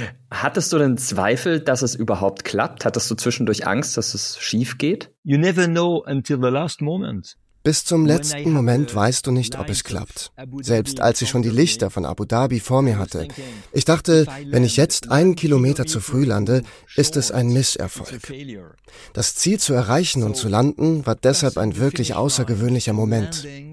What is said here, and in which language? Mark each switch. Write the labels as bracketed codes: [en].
[de] Hattest du denn Zweifel, dass es überhaupt klappt? Hattest du zwischendurch Angst, dass es schief geht? [en] You never know until the last moment. [de] Bis zum letzten Moment weißt du nicht, ob es klappt. Selbst als ich schon die Lichter von Abu Dhabi vor mir hatte. Ich dachte, wenn ich jetzt einen Kilometer zu früh lande, ist es ein Misserfolg. Das Ziel zu erreichen und zu landen, war deshalb ein wirklich außergewöhnlicher Moment.